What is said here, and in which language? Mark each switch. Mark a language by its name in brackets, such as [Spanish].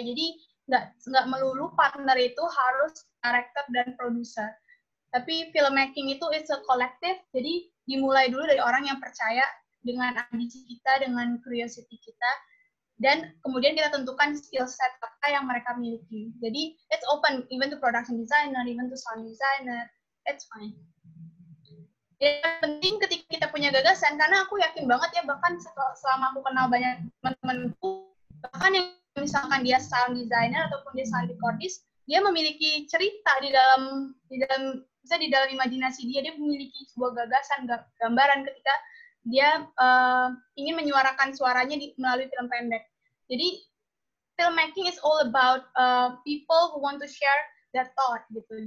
[Indonesian] Jadi nggak melulu partner itu harus director dan produser. Tapi filmmaking itu [English] is a collective, [Indonesian] jadi dimulai dulu dari orang yang percaya dengan ambisi kita, dengan curiosity kita, dan kemudian kita tentukan skill set apa yang mereka miliki. Jadi [English] it's open even to production designer, even to sound designer, it's fine. [Indonesian] Yang penting ketika kita punya gagasan, karena aku yakin banget ya, bahkan selama aku kenal banyak teman-temanku, bahkan yang misalkan dia sound designer ataupun dia sound recordist, dia memiliki cerita di dalam misalnya di dalam imajinasi dia memiliki sebuah gagasan, gambaran ketika dia ingin menyuarakan suaranya melalui film pendek. Jadi [English] filmmaking is all about people who want to share their thought [Indonesian] gitu.